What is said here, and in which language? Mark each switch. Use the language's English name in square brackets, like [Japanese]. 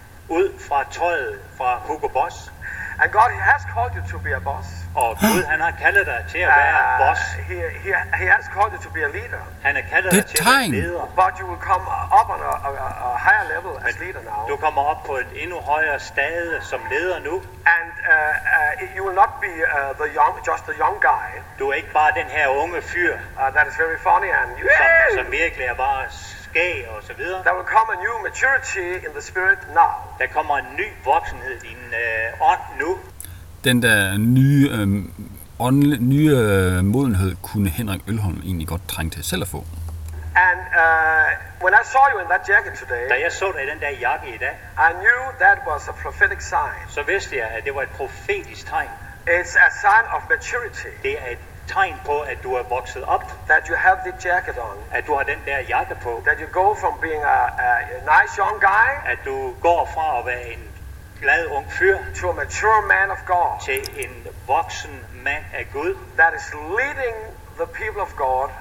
[Danish] Ud fra tøjet fra Hugo Boss. [English] And God has called you to be a boss. [Danish] Og Gud, han har kaldet dig til at være boss. [English] He has called you to be a leader. [Danish] Han har kaldet dig til at være leder. [English] But you will come up on a higher level as leader now. [Danish] Du kommer op på et endnu højere stade som leder nu. [English] And you will not be the young, just the young guy. [Danish] Du er ikke bare den her unge fyr. [English] That is very funny and you [Danish] som virkelig er bare skæg og så videre. [English] There will come a new maturity in the spirit now. [Danish] Der kommer en ny voksenhed i din ånd nu. Den der nye nye modenhed kunne Henrik Ølholm egentlig godt trænge til selv at få. [English] And when I saw you in that jacket today, [Danish] da jeg så dig i den der jakke i dag, [English] I knew that was a prophetic sign. [Danish] Så vidste jeg, at det var et profetisk tegn. [English] It's a sign of maturity. [Danish] Det er et tegn på, at du er vokset op. [English] That you have the jacket on. [Danish] At du har den der jakke på. [English] That you go from being a nice young guy. [Danish] At du går fra at være en glad ung fyr. [English] To a mature man of God. [Danish] Til en voksen mand af Gud. [English] That is leading the people of God.